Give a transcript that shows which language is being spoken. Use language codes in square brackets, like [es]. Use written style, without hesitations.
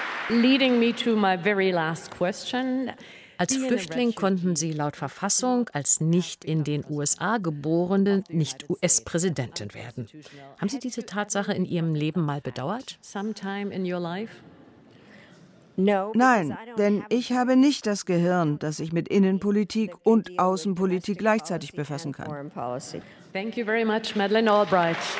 [en] Leading me to my very last question. [de] Als Flüchtling konnten Sie laut Verfassung als nicht in den USA geborene nicht US-Präsidentin werden. Haben Sie diese Tatsache in Ihrem Leben mal bedauert? [en] Sometime in your life? [de] Nein, denn ich habe nicht das Gehirn, das sich mit Innenpolitik und Außenpolitik gleichzeitig befassen kann. [en] Thank you very much, Madeleine Albright.